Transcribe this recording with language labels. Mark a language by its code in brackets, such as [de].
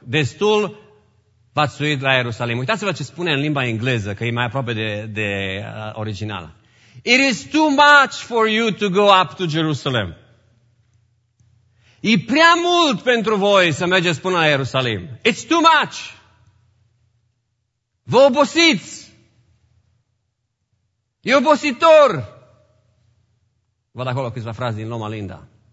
[ro] Destul v-ați suit la Ierusalim. Uitați-vă ce spune în limba engleză, că e mai aproape de original. [en] It is too much for you to go up to Jerusalem. [ro] E prea mult pentru voi să mergeți până la Ierusalim. [en] It's too much. [ro] Vă obosiți. E obositor. Văd acolo câțiva frazi din Loma Linda.